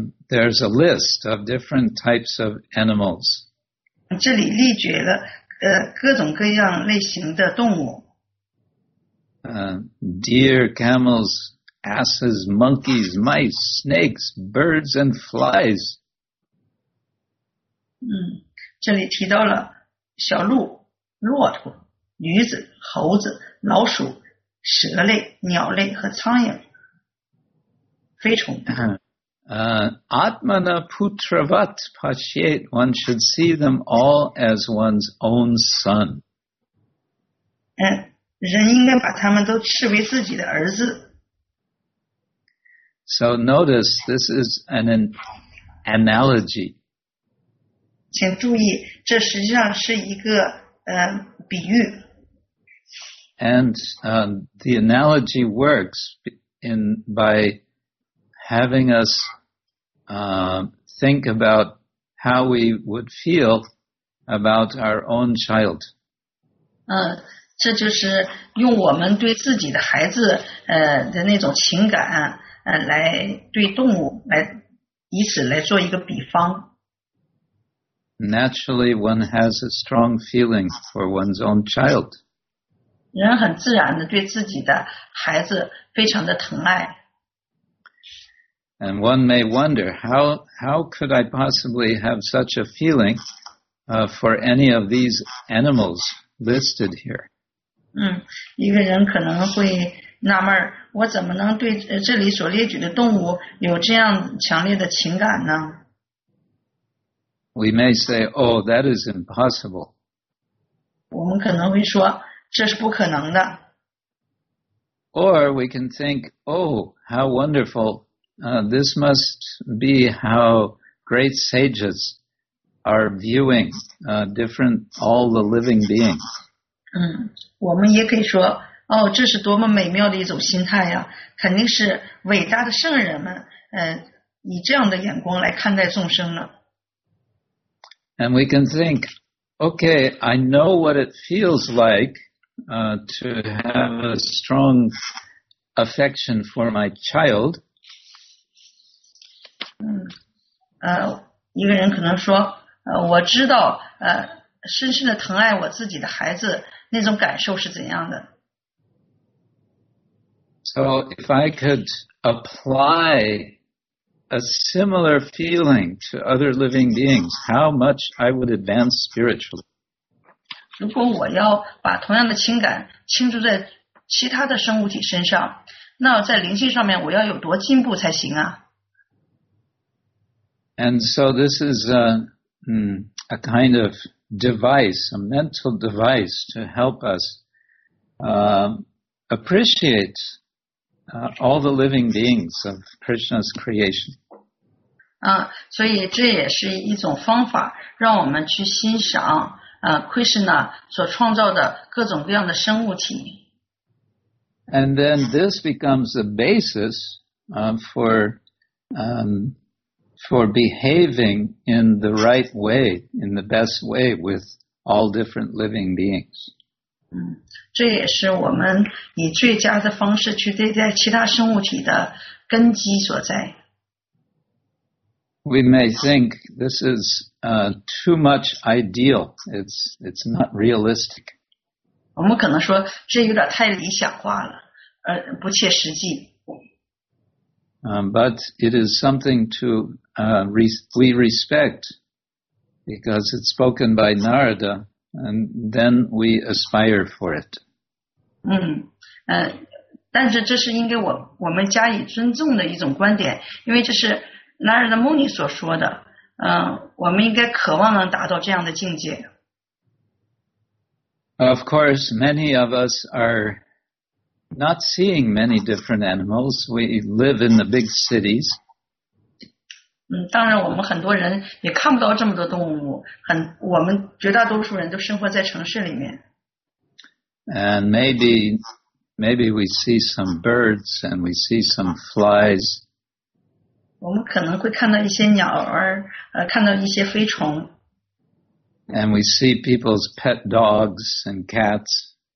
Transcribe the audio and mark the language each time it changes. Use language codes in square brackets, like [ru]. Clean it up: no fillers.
[en] There's a list of different types of animals. [zh] 这里列举了各种各样类型的动物。 [en] Deer, camels, asses, monkeys, mice, snakes, birds, and flies. [zh] 这里提到了小鹿、骆驼、驴子、猴子、老鼠、蛇类、鸟类和苍蝇、飞虫。 [sa] Atmana putravat pashyet. [en] One should see them all as one's own son. [zh] 人应该把他们都视为自己的儿子。 [en] So notice, this is an analogy. [zh] 请注意，这实际上是一个比喻。 [en] And the analogy works by having us think about how we would feel about our own child. [zh] 这就是用我们对自己的孩子的那种情感来对动物来以此来做一个比方。 [en] Naturally, one has a strong feeling for one's own child. [zh] 人很自然的对自己的孩子非常的疼爱。 [en] And one may wonder how could I possibly have such a feeling for any of these animals listed here? [zh] 一个人可能会纳闷，我怎么能对这里所列举的动物有这样强烈的情感呢？ [en] We may say, oh, that is impossible. [zh] 我们可能会说，这是不可能的。 [en] Or we can think, oh, how wonderful. This must be how great sages are viewing all the living beings. [zh] 我们也可以说，哦，这是多么美妙的一种心态呀！肯定是伟大的圣人们，以这样的眼光来看待众生了。 [en] And we can think, okay, I know what it feels like, to have a strong affection for my child. [zh] 一个人可能说，我知道，深深的疼爱我自己的孩子。那种感受是怎样的？ [en] So if I could apply a similar feeling to other living beings, how much I would advance spiritually. [zh] 如果我要把同样的情感倾注在其他的生物体身上，那在灵性上面我要有多进步才行啊？ [en] And so this is a kind of device, a mental device to help us appreciate all the living beings of Krishna's creation. [zh] 所以这也是一种方法，让我们去欣赏Krishna 所创造的各种各样的生物体。 [en] And then this becomes the basis for behaving in the right way, in the best way with all different living beings. [zh] 这也是我们以最佳的方式去对待其他生物体的根基所在。 [en] We may think this is too much ideal. It's not realistic. [zh] 我们可能说这有点太理想化了，不切实际。 [en] But it is something to we respect because it's spoken by Narada, and then we aspire for it. [zh] 但是这是应该我们加以尊重的一种观点，因为这是。 Narada Muni 所说的，我们应该渴望能达到这样的境界。 [en] Of course, many of us are not seeing many different animals. We live in the big cities. [zh] 当然我们很多人也看不到这么多动物，我们绝大多数人都生活在城市里面。 [en] And maybe we see some birds and we see some flies. [zh] 我们可能会看到一些鸟儿，看到一些飞虫。 [en] And we see people's pet dogs and cats.